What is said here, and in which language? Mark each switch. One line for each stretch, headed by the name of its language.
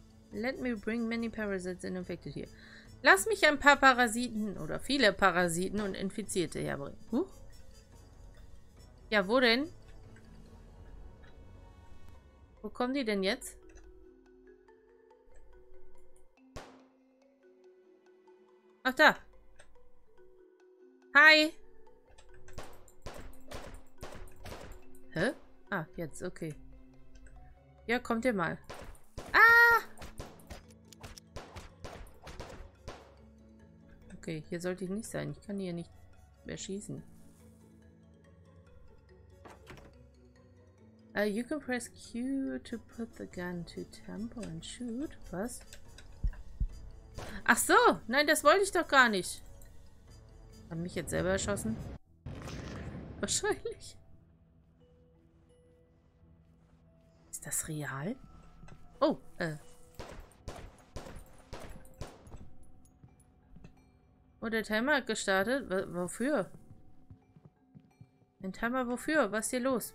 English: Let me bring many parasites and infected here.
German: Lass mich ein paar Parasiten oder viele Parasiten und Infizierte herbringen. Huh? Ja, wo denn? Wo kommen die denn jetzt? Ach da. Hi. Hä? Ah, jetzt, okay. Ja, kommt ihr mal. Ah! Okay, hier sollte ich nicht sein. Ich kann hier nicht mehr schießen.
English: You can press Q to put the gun to tempo and shoot.
German: Was? Ach so, nein, das wollte ich doch gar nicht. Hab mich jetzt selber erschossen? Wahrscheinlich. Ist das real? Oh, Oh, der Timer hat gestartet. Wofür? Ein Timer, wofür? Was ist hier los?